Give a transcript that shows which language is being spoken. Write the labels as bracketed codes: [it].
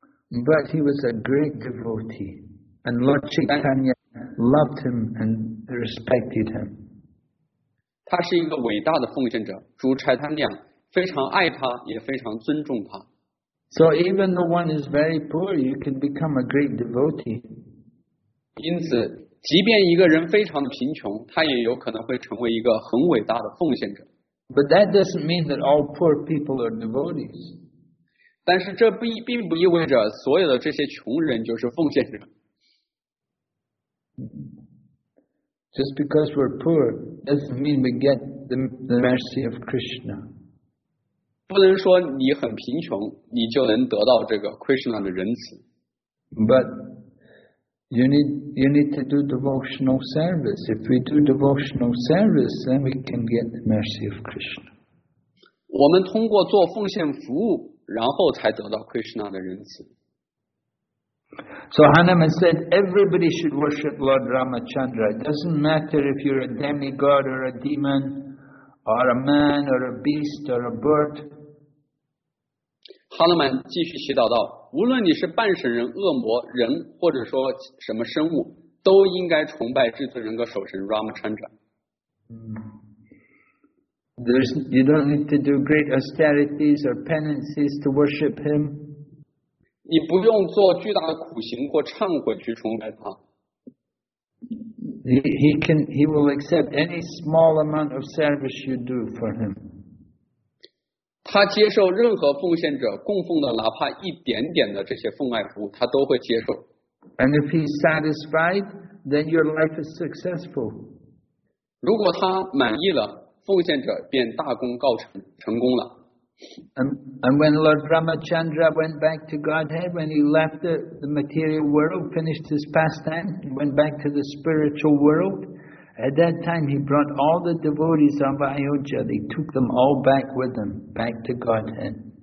[en] But he was a great devotee, and Lord Chaitanya loved him and respected him. [zh] 他是一个伟大的奉献者，主柴坦亮非常爱他，也非常尊重他。 [en] So even though one is very poor, you can become a great devotee. [zh] 因此，即便一个人非常的贫穷，他也有可能会成为一个很伟大的奉献者。 [en] But that doesn't mean that all poor people are devotees. [zh] 但是这并不意味着所有的这些穷人就是奉献者。 [en] Just because we're poor doesn't mean we get the mercy of Krishna. [zh] 不能说你很贫穷，你就能得到这个 Krishna 的仁慈。 [en] But you need to do devotional service. If we do devotional service, then we can get the mercy of Krishna. [zh] 我们通过做奉献服务，然后才得到 Krishna 的仁慈。 [en] So Hanuman said, everybody should worship Lord Ramachandra. It doesn't matter if you're a demigod or a demon. Or a man, or a beast, or a bird. [zh] Hanuman 继续祈祷道：无论你是半神人、恶魔、人，或者说什么生物，都应该崇拜至尊人格守神 Ramachandra. [en] You don't need to do great austerities or penances to worship him. [zh] 你不用做巨大的苦行或忏悔去崇拜他。 [en] He will accept any small amount of service you do for him. [zh] 他接受任何奉献者供奉的，哪怕一点点的这些奉爱服务，他都会接受。 [en] And if he's satisfied, then your life is successful. [zh] 如果他满意了，奉献者便大功告成，成功了。 [en] And when Lord Ramachandra went back to Godhead, when he left the material world, finished his pastime, went back to the spiritual world, at that time he brought all the devotees of Ayodhya. They took them all back with them, back to Godhead.